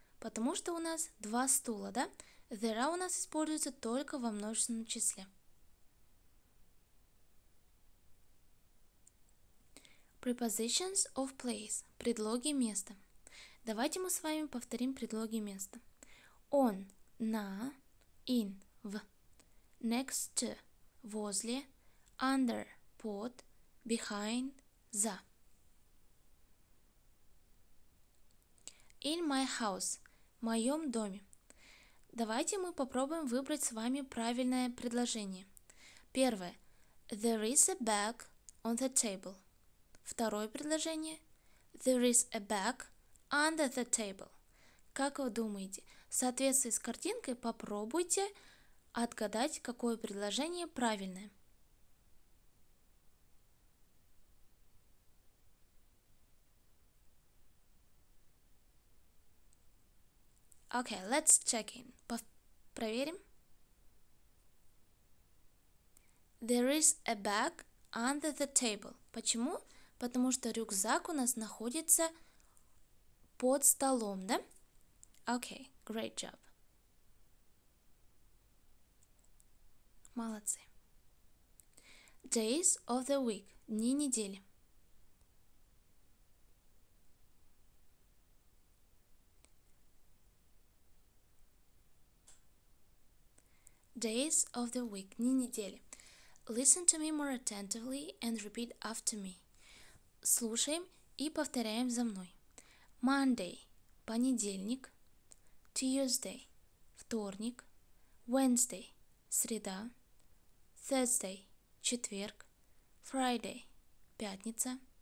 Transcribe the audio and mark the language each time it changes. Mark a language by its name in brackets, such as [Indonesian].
[Russian] Потому что у нас два стула, да? There are у нас используется только во множественном числе. [English] Prepositions of place. [Russian] Предлоги места. Давайте мы с вами повторим предлоги места. On, на, in, в. [English] Next to, возле. Under, под. Behind, за. In my house. [Russian] В моем доме. Давайте мы попробуем выбрать с вами правильное предложение. Первое. [English] There is a bag on the table. [Russian] Второе предложение. [English] There is a bag under the table. [Russian] Как вы думаете, в соответствии с картинкой попробуйте отгадать, какое предложение правильное. [English] Okay, let's check in. [Russian] Проверим. [English] There is a bag under the table. [Russian] Почему? Потому что рюкзак у нас находится под столом, да? [English] Okay, great job. [Russian] Молодцы. [English] Days of the week. [Russian] Дни недели. [English] Days of the week. [Russian] Дни недели. [English] Listen to me more attentively and repeat after me. [Russian] Слушаем и повторяем за мной. Monday – понедельник. Tuesday – вторник. Wednesday – среда. Thursday – четверг. Friday – пятница.